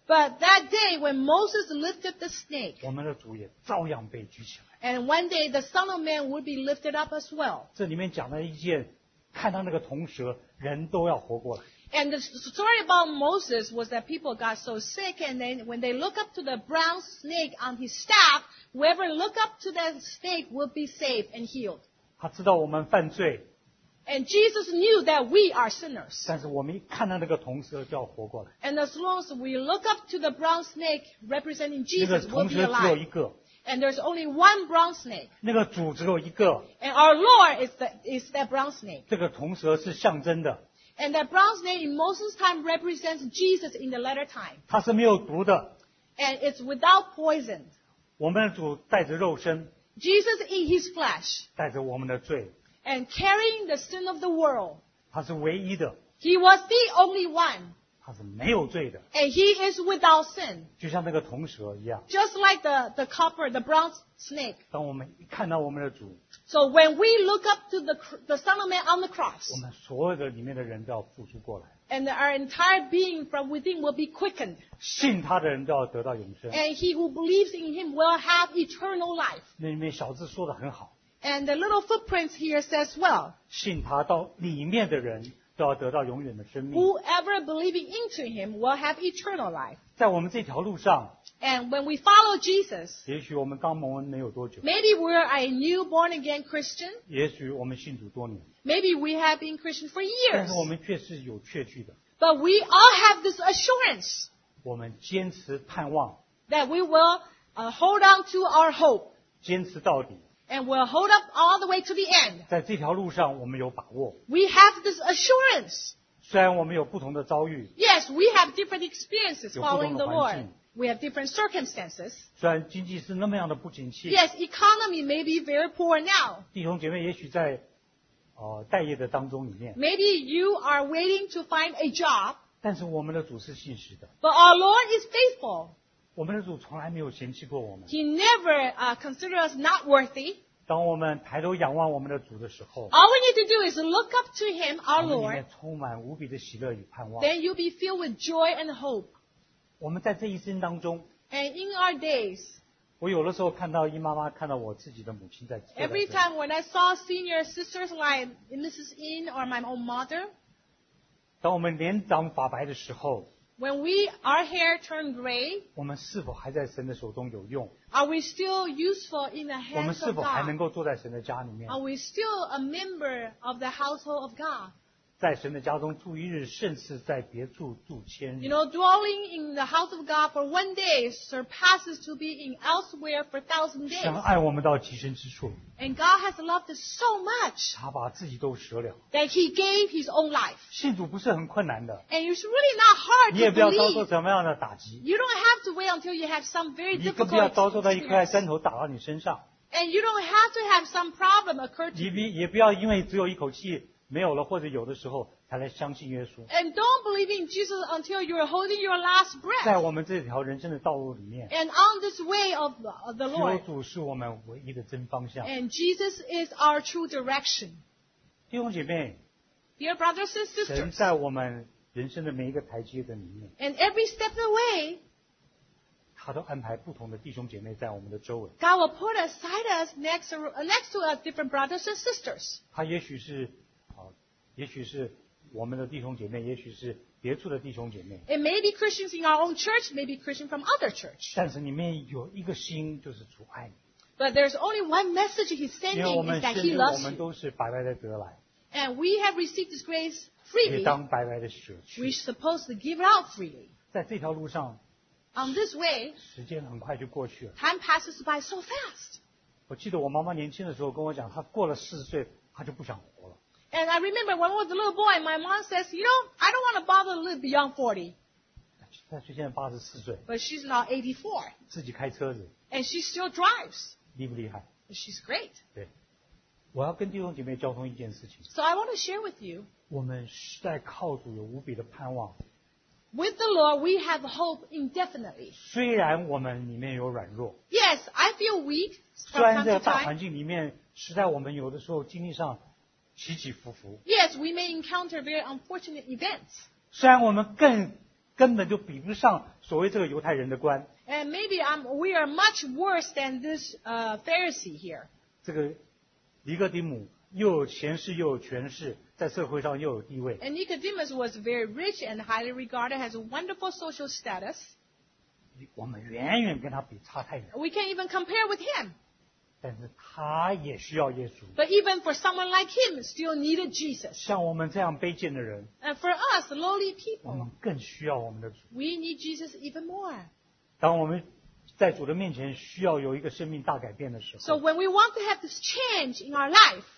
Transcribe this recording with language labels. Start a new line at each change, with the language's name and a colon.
English: But that day when Moses lifted the snake,
Chinese: 我们的主也照样被举起来。
English: And one day the Son of Man would be lifted up as well.
Chinese: 这里面讲了一件，看到那个铜蛇，人都要活过来。
English: And the story about Moses was that people got so sick, and then when they look up to the brown snake on his staff, whoever look up to that snake would be saved and healed.
Chinese: 他知道我们犯罪。
English: And Jesus knew that we are sinners.
Chinese: 但是我们一看到那个铜蛇就要活过来。
English: And as long as we look up to the brown snake representing Jesus, we'll be alive.
Chinese: 那个铜蛇只有一个。
English: And there's only one brown snake.
Chinese: 那个主只有一个。
English: And our Lord is that brown snake.
Chinese: 这个铜蛇是象征的。
English: And that brown snake in Moses' time represents Jesus in the latter time.
Chinese: 它是没有毒的。
English: And it's without poison.
Chinese: 我们的主带着肉身。
English: Jesus in his flesh.
Chinese: 带着我们的罪。
English: And carrying the sin of the world.
Chinese: 他是唯一的。
English: He was the only one.
Chinese: 他是没有罪的。
English: And he is without sin.
Chinese: 就像那个铜蛇一样。
English: Just like the copper, the bronze snake.
Chinese: 当我们一看到我们的主。
English: So when we look up to the Son of Man on the cross.
Chinese: 我们所有的里面的人都要复苏过来。
English: And our entire being from within will be quickened.
Chinese: 信他的人都要得到永生。
English: And he who believes in him will have eternal life.
Chinese: 那里面小字说得很好。
English: And the little footprints here says well.
Chinese: 信他到里面的人都要得到永远的生命。
English: Whoever believing into him will have eternal life.
Chinese: 在我们这条路上。
English: And when we follow Jesus.
Chinese: 也许我们刚蒙恩没有多久。
English: Maybe we're a new born again Christian.
Chinese: 也许我们信主多年。
English: Maybe we have been Christian for years.
Chinese: 但是我们却是有确据的。
English: But we all have this assurance.
Chinese: 我们坚持盼望。
English: That we will hold on to our hope.
Chinese: 坚持到底。
English: And we'll hold up all the way to the end.
Chinese: 在这条路上我们有把握。
English: We have this assurance.
Chinese: 虽然我们有不同的遭遇。
English: Yes, we have different experiences following the Lord. We have different circumstances.
Chinese: 虽然经济是那么样的不景气。
English: Yes, economy may be very poor now.
Chinese: 弟兄姐妹也许在待业的当中里面。
English: Maybe you are waiting to find a job.
Chinese: 但是我们的主是信实的。
English: But our Lord is faithful.
Chinese: 我们的主从来没有嫌弃过我们。
English: He never considered us not worthy.
Chinese: 当我们抬头仰望我们的主的时候
English: ，All we need to do is look up to Him, our Lord.
Chinese: 我们里面充满无比的喜乐与盼望。
English: Then you'll be filled with joy and hope.
Chinese: 我们在这一生当中
English: ，And in our days.
Chinese: 我有的时候看到姨妈妈，看到我自己的母亲在。
English: Every time when I saw senior sisters like Mrs. In or my own mother.
Chinese: 当我们脸长发白的时候。
English: When we, our hair turn gray,
Chinese: 我们是否还在神的手中有用
English: ？Are we still useful in the hands of God？
Chinese: 我们是否还能够坐在神的家里面
English: ？Are we still a member of the household of God？
Chinese: 在神的家中住一日，甚是在别处住千日。
English: You know, dwelling in the house of God for one day surpasses to be in elsewhere for thousand days.
Chinese: 神爱我们到极深之处。
English: And God has loved us so much.
Chinese: 他把自己都舍了。
English: That He gave His own life.
Chinese: 信主不是很困难的。
English: And it's really not hard to believe.
Chinese: 你也不要遭受什么样的打击。
English: You don't have to wait until you have some very difficult experience.
Chinese: 你更不要遭受到一块砖头打到你身上。
English: And you don't have to have some problem occur to you.
Chinese: 你也不要因为只有一口气没有了或者有的时候才来相信耶稣。
English: And don't believe in Jesus until you're holding your last breath.
Chinese: 在我们这条人生的道路里面。
English: And on this way of the Lord.
Chinese: 基督主是我们唯一的真方向。
English: And Jesus is our true direction.
Chinese: 弟兄姐妹。
English: Dear brothers and sisters.
Chinese: 神在我们人生的每一个台阶的里面。
English: And every step of the way.
Chinese: 他都安排不同的弟兄姐妹在我们的周围。
English: God will put aside us next to our different brothers and sisters.
Chinese: 他也许是。也许是我们的弟兄姐妹，也许是别处的弟兄姐妹。
English: It may be Christians in our own church, maybe Christians from other church.
Chinese: 但是里面有一个心，就是主爱你。
English: But there's only one message He's sending is that He loves you.
Chinese: 因为我们都是白白的得来。
English: And we have received this grace freely.
Chinese: 也当白白的舍去。
English: We're supposed to give it out freely.
Chinese: 在这条路上
English: ，On this way，
Chinese: 时间很快就过去了。
English: Time passes by so fast.
Chinese: 我记得我妈妈年轻的时候跟我讲，她过了四十岁，她就不想活了。
English: And I remember when I was a little boy, my mom says, you know, I don't want to bother to live beyond 40. But she's now 84.
Chinese: 自己开车子。
English: And she still drives.
Chinese: 厉不厉害？
English: She's great.
Chinese: 对。我要跟弟兄姐妹交通一件事情。
English: So I want to share with you.
Chinese: 我们实在靠主有无比的盼望。
English: With the Lord, we have hope indefinitely.
Chinese: 虽然我们里面有软弱。
English: Yes, I feel weak.
Chinese: 虽然在大环境里面，实在我们有的时候经历上起起伏伏。
English: Yes, we may encounter very unfortunate events.
Chinese: 虽然我们根本就比不上所谓这个犹太人的官。
English: And maybe we are much worse than this Pharisee here.
Chinese: 这个尼哥底母又有前世又有权势，在社会上又有地位。
English: And Nicodemus was very rich and highly regarded, has a wonderful social status.
Chinese: 我们远远跟他比差太远。
English: We can't even compare with him.
Chinese: 但是他也需要耶稣。
English: But even for someone like him, still needed Jesus.
Chinese: 像我们这样卑贱的人。
English: And for us, lowly people.
Chinese: 我们更需要我们的主。
English: We need Jesus even more.
Chinese: 当我们在主的面前需要有一个生命大改变的时候。
English: So when we want to have this change in our life.